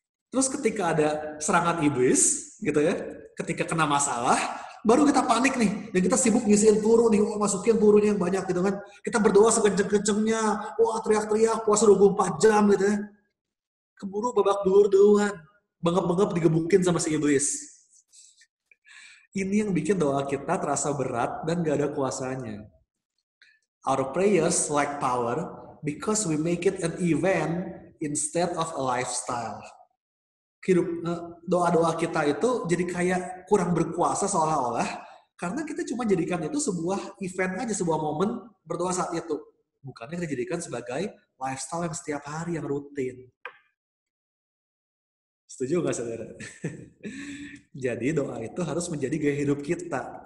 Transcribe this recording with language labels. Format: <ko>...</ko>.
<id>Terus ketika ada serangan iblis, gitu ya, ketika kena masalah, baru kita panik nih, dan kita sibuk ngisiin peluru nih, wah, masukin pelurunya yang banyak gitu kan. Kita berdoa sekenceng-kencengnya, wah teriak-teriak, puasa 24 jam gitu ya. Keburu babak belur duluan, bengep-bengep digebukin sama si iblis. Ini yang bikin doa kita terasa berat dan gak ada kuasanya.</id> <en>Our prayers lack power because we make it an event instead of a lifestyle.</en> <id>Doa-doa kita itu jadi kayak kurang berkuasa seolah-olah karena kita cuma jadikan itu sebuah event aja, sebuah momen berdoa saat itu. Bukannya kita jadikan sebagai lifestyle yang setiap hari, yang rutin. Setuju gak saudara? Jadi doa itu harus menjadi gaya hidup kita.</id>